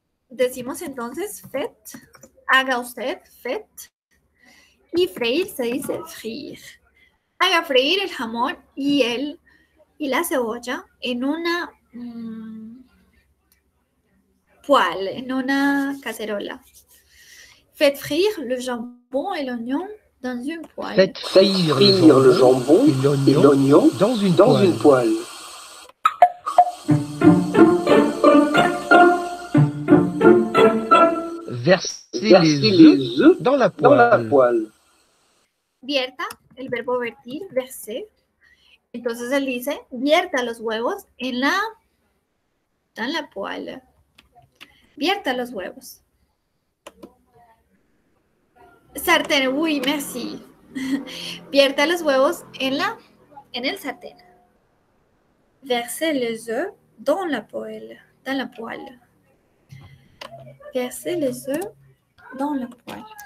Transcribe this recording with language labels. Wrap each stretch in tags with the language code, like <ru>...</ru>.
<es>Decimos entonces, haga usted, y freír se dice frir. Haga freír el jamón y el y la cebolla en una poêle, en una cacerola.</es> <fr>Faites frire le jambon et l'oignon dans une poêle. Faites frire le jambon et l'oignon dans une poêle. Versez les œufs dans la poêle.</fr> <es>Vierta, el verbo vertir, verser. Entonces él dice, vierta los huevos en la</es> <fr>dans la poêle.</fr> <es>Vierta los huevos. Sartén, uy, merci. Vierta los huevos en la en el sartén.</es> <fr>Versez les œufs dans la poêle. Dans la poêle. Versez les œufs dans la poêle.</fr>